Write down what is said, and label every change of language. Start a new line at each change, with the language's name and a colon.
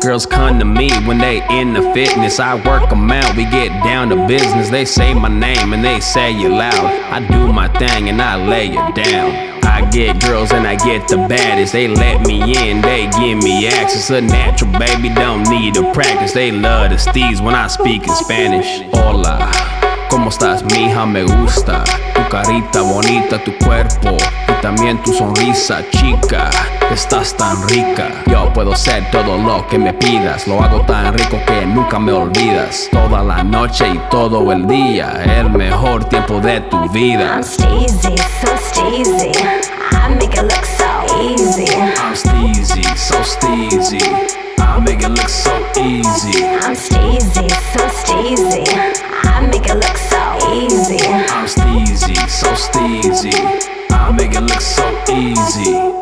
English: Girls come to me when they in the fitness. I work them out, we get down to business. They say my name and they say it loud. I do my thing and I lay it down. I get girls and I get the baddest. They let me in, they give me access. A natural baby, don't need to practice. They love the Steez when I speak in Spanish.
Spanish: Hola, como estás, mija, me gusta. Tu carita bonita, tu cuerpo. Y también tu sonrisa, chica. Estás tan rica. Yo puedo ser todo lo que me pidas. Lo hago tan rico que nunca me olvidas. Toda la noche y todo el día. El mejor tiempo de tu vida.
English: I'm Steezy, so Steezy. I make it look so easy. I'm Steezy, so Steezy. I make it look so easy. I'm Steezy, so Steezy. I make it look so easy. I'm Steezy, so Steezy. I make it look so easy.